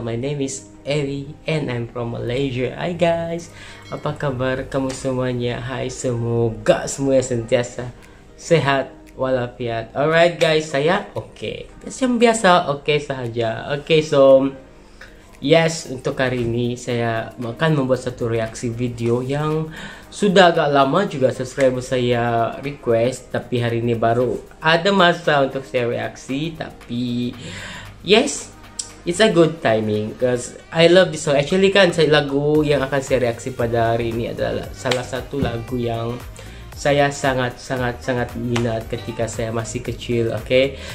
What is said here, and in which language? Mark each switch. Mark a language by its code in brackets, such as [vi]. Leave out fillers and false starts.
[en] My name is Eri and I'm from Malaysia. [ms] Hi guys, apa kabar kamu semuanya? Hai, semoga semuanya sentiasa sehat walafiat. [en] Alright guys, [ms] saya oke saja. Okay, so yes, untuk hari ini saya akan membuat satu reaksi video yang sudah agak lama juga subscriber saya request, tapi hari ini baru ada masa untuk saya reaksi. Tapi [en] yes, it's a good timing because I love this song. [ms] Actually kan, lagu yang akan saya reaksi pada hari ini adalah salah satu lagu yang saya sangat minat ketika saya masih kecil, okay?